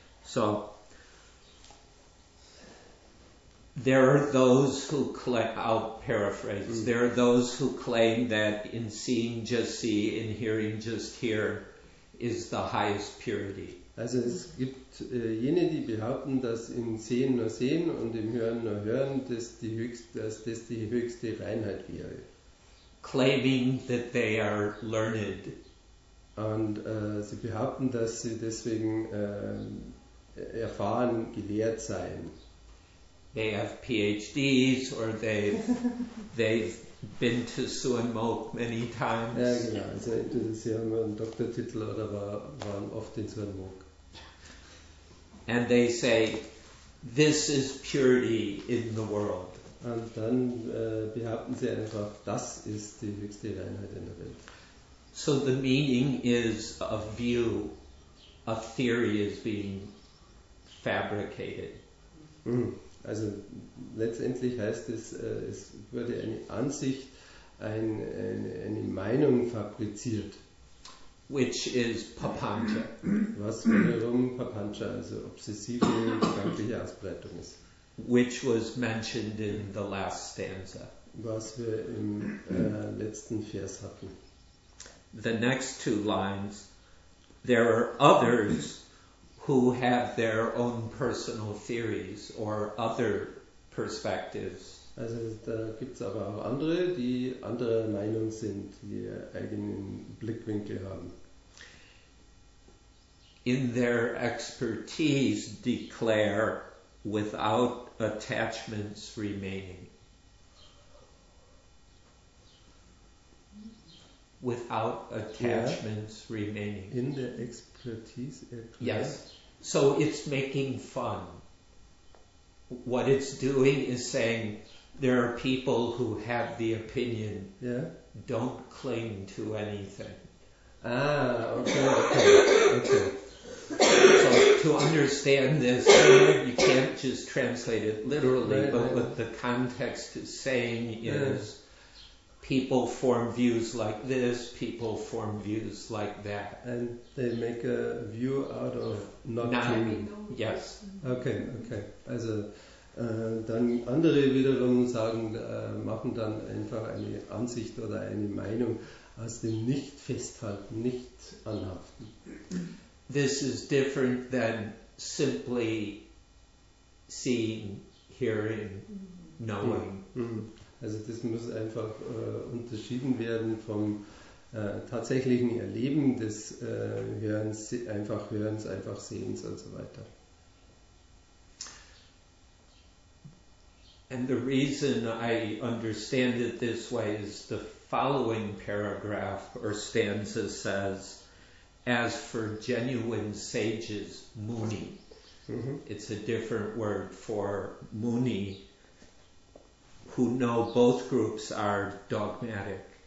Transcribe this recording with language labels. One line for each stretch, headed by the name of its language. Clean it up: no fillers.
English: So, there are those who claim, I'll paraphrase, mm-hmm. There are those who claim that in seeing just see, in hearing just hear, is the highest purity.
German: Also es gibt jene, die behaupten, dass im Sehen und im Hören nur Hören, dass das die höchste Reinheit wäre.
English: Claiming that they are learned.
German: Und sie behaupten, dass sie deswegen erfahren, gelehrt seien.
English: They have PhDs or they've been to Suan Mok many times.
German: Ja, genau. Also entweder sie haben einen Doktortitel oder waren oft in Suan Mok.
English: And they say, this is purity in the world.
German: Und dann behaupten sie einfach, das ist die höchste Reinheit in der Welt.
English: So the meaning is a view, a theory is being fabricated. Mm.
German: Also letztendlich heißt es, es wurde eine Ansicht, eine Meinung fabriziert.
English: Which is Papancha.
German: Was wiederum Papancha, also obsessive gedankliche Ausbreitung ist.
English: Which was mentioned in the last stanza.
German: Was wir im letzten Vers hatten.
English: The next two lines, there are others who have their own personal theories or other perspectives.
German: Also da gibt's aber auch andere, die andere Meinung sind, die eigenen Blickwinkel haben.
English: In their expertise declare without attachments remaining. Without attachments remaining. In their expertise? Yes. So it's making fun. What it's doing is saying there are people who have the opinion. Yeah. Don't cling to anything. Okay. So to understand this, you can't just translate it literally, right. What the context is saying is people form views like this, people form views like that. And they make a view out of not being. Yes. Okay.
German: Also dann andere wiederum sagen, machen dann einfach eine Ansicht oder eine Meinung aus dem Nicht-Festhalten, Nicht-Anhaften.
English: This is different than simply seeing, hearing, knowing. Mm-hmm.
German: Also das muss einfach unterschieden werden vom tatsächlichen Erleben des Hörens, einfach Sehens und so weiter.
English: And the reason I understand it this way is the following paragraph or stanza says, as for genuine sages, muni. Mm-hmm. It's a different word for muni, who know both groups are dogmatic.